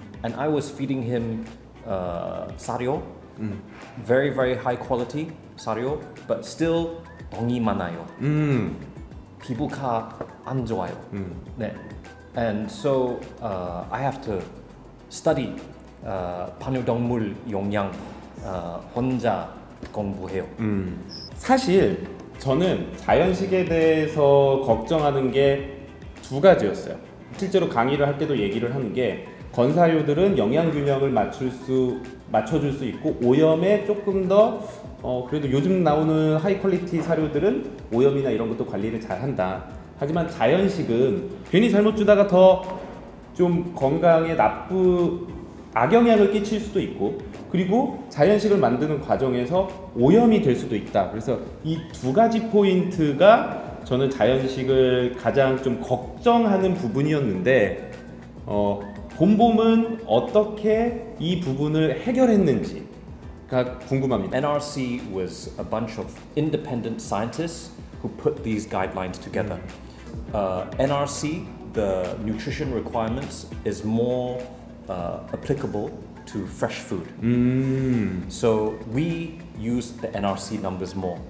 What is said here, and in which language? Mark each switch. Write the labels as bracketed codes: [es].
[en] And I was feeding him sario. Very, very high quality, 사료, but still [ko] 똥이 많아요. 피부가 안 좋아요. 네. [en] And so I have to study [ko] 반려동물 영양 혼자 공부해요. 사실 저는 자연식에 대해서 걱정하는 게 두 가지였어요. 실제로 강의를 할 때도 얘기를 하는 게 건사료들은 영양 균형을 맞춰줄 수 있고 오염에 조금 더 그래도 요즘 나오는 하이 퀄리티 사료들은 오염이나 이런 것도 관리를 잘 한다. 하지만 자연식은 괜히 잘못 주다가 더 좀 건강에 악영향을 끼칠 수도 있고 그리고 자연식을 만드는 과정에서 오염이 될 수도 있다. 그래서 이 두 가지 포인트가 저는 자연식을 가장 좀 걱정하는 부분이었는데 봄봄은 어떻게 이 부분을 해결했는지가 궁금합니다. [en] NRC was a bunch of independent scientists who put these guidelines together. NRC, the nutrition requirements, is more applicable to fresh food. So we use the NRC numbers more.